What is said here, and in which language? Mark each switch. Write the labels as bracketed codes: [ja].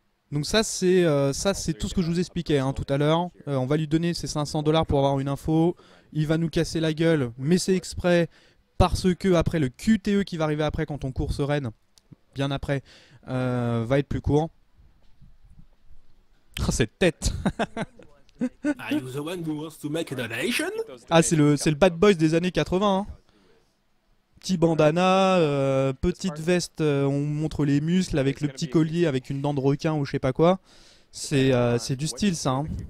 [fr] Donc ça c'est tout ce que je vous expliquais hein, tout à l'heure. On va lui donner ses $500 pour avoir une info. Il va nous casser la gueule, mais c'est exprès parce que après le QTE qui va arriver après quand on course Ren, bien après, va être plus court. Oh, cette tête. [en] Are you the one who wants to make a donation? [fr] Ah, c'est le bad boys des années 80. Hein. Petit bandana, petite veste, on montre les muscles avec le petit collier avec une dent de requin ou je sais pas quoi. C'est du style ça. Hein.